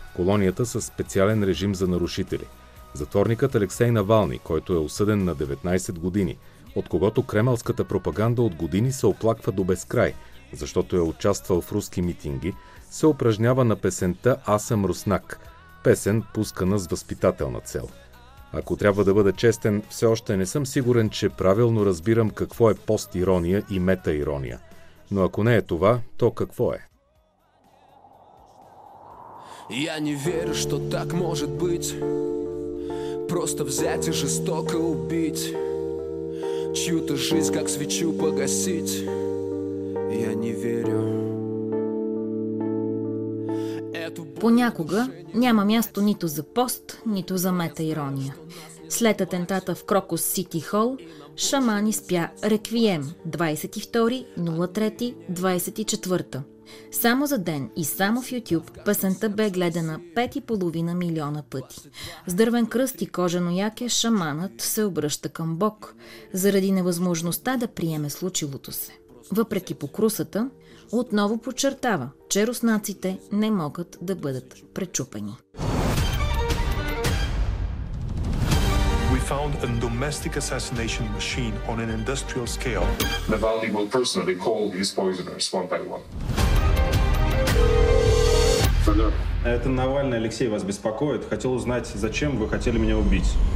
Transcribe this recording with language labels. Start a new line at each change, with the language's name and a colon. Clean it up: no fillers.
Bulgarian: Колонията със специален режим за нарушители. Затворникът Алексей Навални, който е осъден на 19 години, от когото кремълската пропаганда от години се оплаква до безкрай, защото е участвал в руски митинги, се упражнява на песента «Аз съм руснак», песен пускана с възпитателна цел. Ако трябва да бъда честен, все още не съм сигурен, че правилно разбирам какво е пост-ирония и мета-ирония. Но ако не е това, то какво е?
Russian: Я не верю, что так может быть. Просто взять и жестоко убить. Чью-то жизнь, как свечу погасить. Я не верю.
Bulgarian: Понякога няма място нито за пост, нито за мета-ирония. След атентата в Крокус Сити Хол, Шаман изпя Реквием 22.03.24. Само за ден и само в YouTube песента бе гледана 5,5 милиона пъти. С дървен кръст и кожено яке шаманът се обръща към Бог, заради невъзможността да приеме случилото се. Въпреки покрусата, отново подчертава, че руснаците не могат да бъдат пречупени.
English: Found a domestic assassination machine on an industrial scale. Navalny will personally call these poisoners one by one. Further.
Russian: Это Навальный Алексей вас беспокоит. Хотел узнать, зачем вы хотели меня убить.